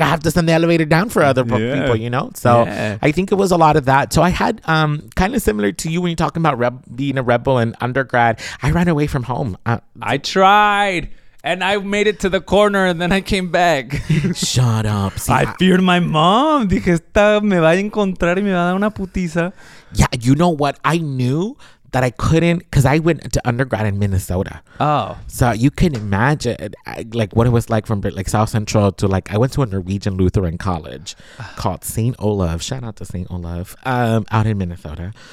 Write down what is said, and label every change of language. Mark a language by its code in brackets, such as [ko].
[en] I have to send the elevator down for other people, you know? So I think it was a lot of that. So I had kind of similar to you when you're talking about being a rebel in undergrad. I ran away from home. I tried. And I made it to the corner and then I came back. Shut up. See, I feared my mom. [es] Dije, esta me va a encontrar y me va a dar una putiza. [en] Yeah, you know what? I knew that I couldn't, because I went to undergrad in Minnesota. Oh. So you can imagine like what it was like from like South Central to like, I went to a Norwegian Lutheran college called St. Olaf. Shout out to St. Olaf out in Minnesota.